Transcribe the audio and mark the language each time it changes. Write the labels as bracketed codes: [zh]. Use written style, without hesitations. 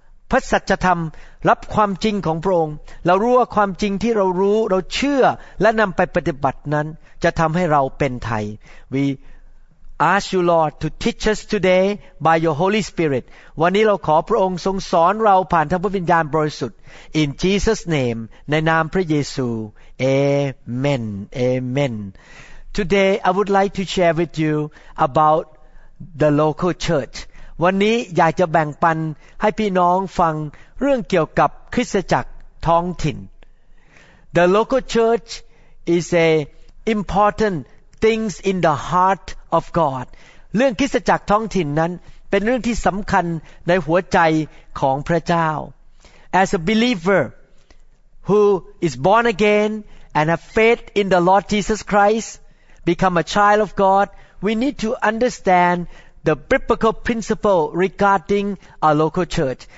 [th] พระสัจธรรมรับความจริงของพระองค์เรารู้ว่าความจริงที่เรารู้เราเชื่อและนำไปปฏิบัตินั้นจะทำให้เราเป็นไทย [en] WeAsk you, Lord, to teach us today by your Holy Spirit. [th] วันนี้เราขอพระองค์ทรงสอนเราผ่านทางพระวิญญาณบริสุทธิ์ [en] In Jesus' name, [th] ในนามพระเยซู Amen. [en] Amen. Today, I would like to share with you about the local church. [th] วันนี้อยากจะแบ่งปันให้พี่น้องฟังเรื่องเกี่ยวกับคริสตจักรท้องถิ่น [en] The local church is a important things in the heart. Of God, [th] เรื่องคริสตจักรท้องถิ่นนั้นเป็นเรื่องที่สำคัญในหัวใจของพระเจ้า [en] As a believer who is born again and have faith in the Lord Jesus Christ, become a child of God, we need to understand the biblical principle regarding our local church.